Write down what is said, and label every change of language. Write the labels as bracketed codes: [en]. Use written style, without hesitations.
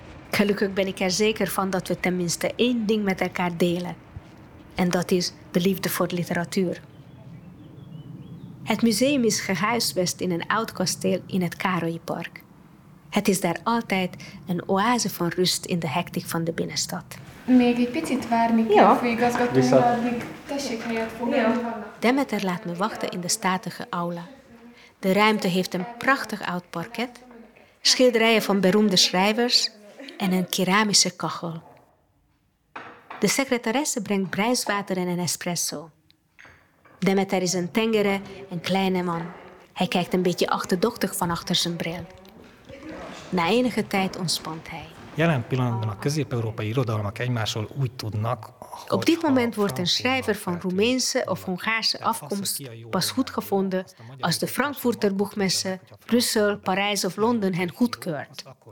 [nl] Gelukkig ben ik er zeker van dat we tenminste één ding met elkaar delen. En dat is de liefde voor literatuur. Het museum is gehuisvest in een oud kasteel in het Károlyi-park. Het is daar altijd een oase van rust in de hectiek van de binnenstad. [hu] Még egy picit várni kell, főigazgatónk, addig tessék helyet foglalni. [nl] Demeter laat me wachten in de statige aula. De ruimte heeft een prachtig oud parket, schilderijen van beroemde schrijvers en een keramische kachel. De secretaresse brengt bruiswater en een espresso. Demeter is een tengere, een kleine man. Hij kijkt een beetje achterdochtig van achter zijn bril. Na enige tijd ontspant hij. [hu] Jelen pillanatban a közép-európai irodalmak egymásról úgy tudnak. [nl] Op dit moment wordt een schrijver van Roemeense of Hongaarse afkomst pas goed gevonden als de Frankfurter Buchmesse, Brussel, Parijs of Londen hen goedkeurt.